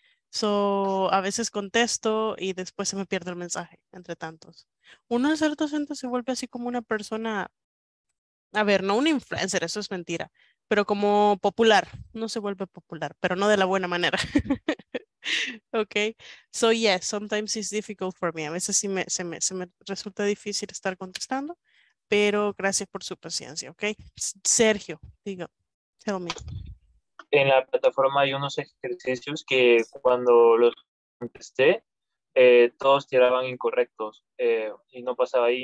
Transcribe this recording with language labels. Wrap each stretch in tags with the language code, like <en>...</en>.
<es>So, a veces contesto y después se me pierde el mensaje, entre tantos. Uno de ser docente se vuelve así como una persona, a ver, no un influencer, eso es mentira, pero como popular. No se vuelve popular, pero no de la buena manera.</es> <en>Okay, so yes, sometimes it's difficult for me.</en> <es>A veces sí se me resulta difícil estar contestando, pero gracias por su paciencia, okay.</es> <en>Sergio,</en> <es>digo,</es> <en>tell me.</en> <es>En la plataforma hay unos ejercicios que cuando los contesté, todos tiraban incorrectos y no pasaba ahí.</es>